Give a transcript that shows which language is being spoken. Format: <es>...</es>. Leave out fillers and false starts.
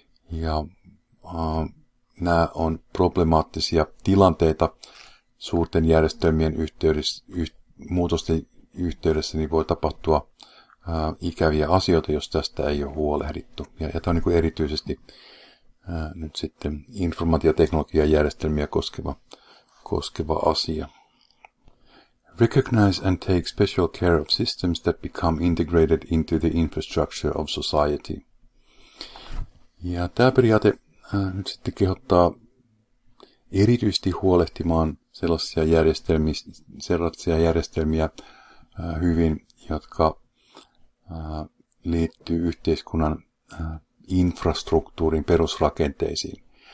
<fi>Ja nämä on problemaattisia tilanteita suurten järjestelmien muutosten yhteydessä, niin voi tapahtua ikäviä asioita, jos tästä ei ole huolehdittu. Ja tämä on niin erityisesti nyt sitten informaatioteknologian järjestelmiä koskeva asia.</fi> <en>Recognize and take special care of systems that become integrated into the infrastructure of society.</en> <fi>Ja tämä periaate nyt sitten kehottaa erityisesti huolehtimaan sellaisia järjestelmiä hyvin, jotka liittyy yhteiskunnan infrastruktuurin perusrakenteisiin.</fi>